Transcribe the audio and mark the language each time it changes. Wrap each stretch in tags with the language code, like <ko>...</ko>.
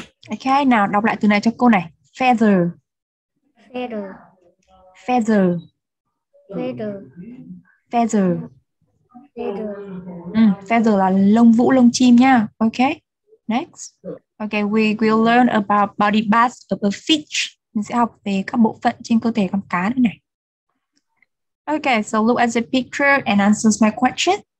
<vi>Okay, nào đọc lại từ này cho cô này.</vi> <en>Feather. Feather. Feather. Feather. Feather. Feather.</en> <vi>Feather là lông vũ, lông chim nha.</vi> <en>Okay, next. Okay, we will learn about body parts of a fish.</en> <vi>Mình sẽ học về các bộ phận trên cơ thể con cá nữa này.</vi> <en>Okay, so look at the picture and answer my question.</en>